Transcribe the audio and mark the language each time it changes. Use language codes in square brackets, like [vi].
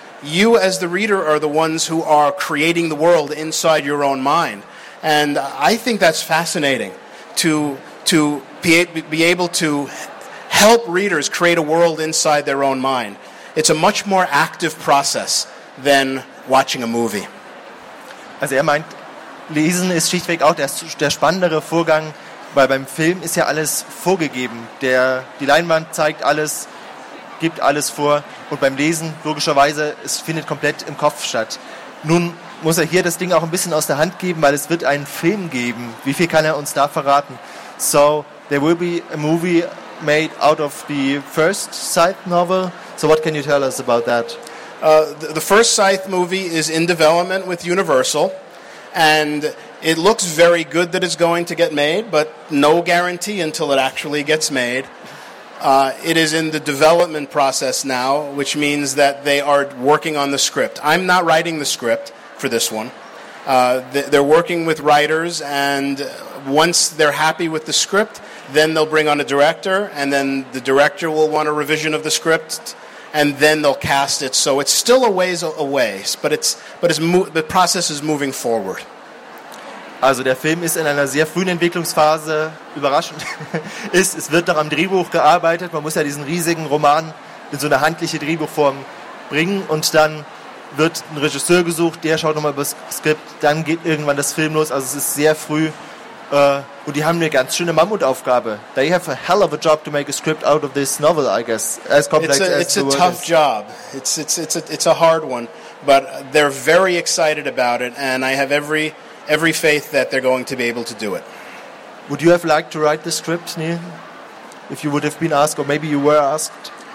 [en] You, as the reader, are the ones who are creating the world inside your own mind. And I think that's fascinating, to be able to help readers create a world inside their own mind. It's a much more active process than watching a movie. [de] Also er meint, Lesen ist schlichtweg auch der spannendere Vorgang, weil beim Film ist ja alles vorgegeben. Die Leinwand zeigt alles, gibt alles vor. Und beim Lesen, logischerweise, es findet komplett im Kopf statt. Nun muss er hier das Ding auch ein bisschen aus der Hand geben, weil es wird einen Film geben. Wie viel kann er uns da verraten? [en] So, there will be a movie made out of the first Scythe novel. So what can you tell us about that? The first Scythe movie is in development with Universal, and it looks very good that it's going to get made, but no guarantee until it actually gets made. It is in the development process now, which means that they are working on the script. I'm not writing the script for this one. They're working with writers, and once they're happy with the script, then they'll bring on a director, and then the director will want a revision of the script, and then they'll cast it. So it's still a ways away, but the process is moving forward. [de] Also der Film ist in einer sehr frühen Entwicklungsphase, überraschend ist, es wird noch am Drehbuch gearbeitet. Man muss ja diesen riesigen Roman in so eine handliche Drehbuchform bringen und dann wird ein Regisseur gesucht, der schaut nochmal über das Skript, dann geht irgendwann das Film los. Also es ist sehr früh und die haben eine ganz schöne Mammutaufgabe. [en] They have a hell of a job to make a script out of this novel, I guess. As complex as the world is. It's a tough job. It's a hard one. But they're very excited about it and I have every faith that they're going to be able to do it. Would you have liked to write the script, Neil? If you would have been asked, or maybe you were asked?